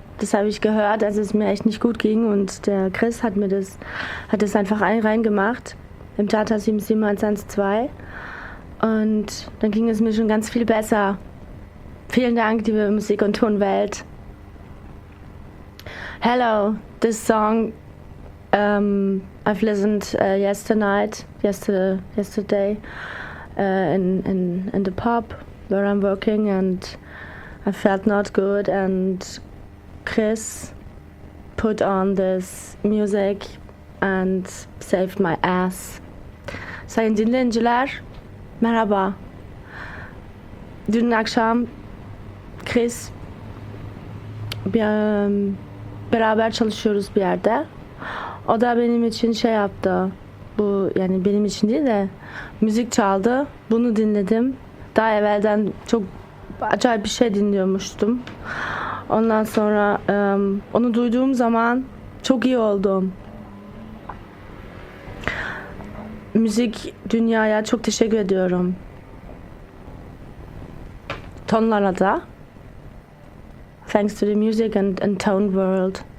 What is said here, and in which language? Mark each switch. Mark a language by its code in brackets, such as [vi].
[de] Das habe ich gehört, als es mir echt nicht gut ging. Und der Chris hat das einfach reingemacht im Tata 77112. Und dann ging es mir schon ganz viel besser. Vielen Dank, liebe Musik- und Tonwelt. [en] Hello, this song I've listened yesterday in the pub where I'm working, and I felt not good, and Chris put on this music and saved my ass. [tr] Sayın dinleyiciler, merhaba. Dün akşam Chris beraber çalışıyoruz bir yerde. O da benim için şey yaptı. Bu yani benim için değil de müzik çaldı. Bunu dinledim. Daha evvelden çok acayip bir şey dinliyormuştum. Ondan sonra onu duyduğum zaman çok iyi oldum. Müzik dünyaya çok teşekkür ediyorum. Tonlara da. [en] Thanks to the music and tone world.